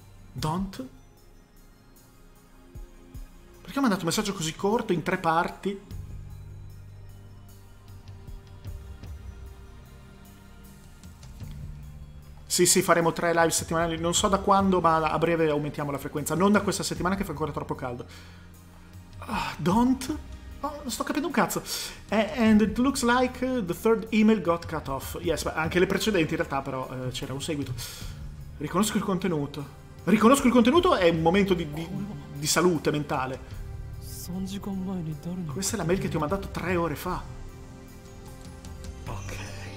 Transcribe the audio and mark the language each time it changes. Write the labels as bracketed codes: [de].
[it] Perché ho mandato un messaggio così corto, in tre parti? Sì, sì, faremo tre live settimanali, non so da quando, ma a breve aumentiamo la frequenza. Non da questa settimana che fa ancora troppo caldo. Don't? Oh, non sto capendo un cazzo. [en] And it looks like the third email got cut off. [it] Yes, anche le precedenti in realtà, però c'era un seguito. Riconosco il contenuto. Riconosco il contenuto è un momento di salute mentale. Questa è la mail che ti ho mandato 3 ore fa. Ok.